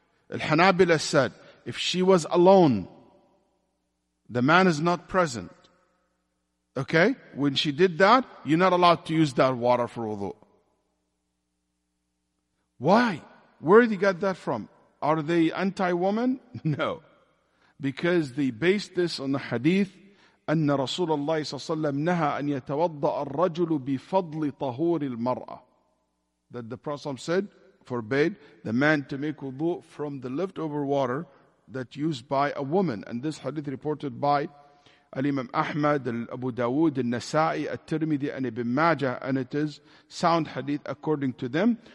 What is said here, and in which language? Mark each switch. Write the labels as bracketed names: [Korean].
[English] Al-Hanabila said, if she was alone, the man is not present. Okay? When she did that, you're not allowed to use that water for wudu. Why? Where did he get that from? Are they anti-woman? No. Because they based this on the hadith, [Arabic] أن رسول الله صلى الله عليه وسلم نهى أن يتوضأ الرجل بفضل طهور المرأة. [English] That the Prophet said, forbade the man to make wudu from the leftover water that used by a woman. And this hadith reported by Al-Imam Ahmad, Abu Dawood, Al-Nasa'i, Al-Tirmidhi, and Ibn Majah, and it is sound hadith according to them.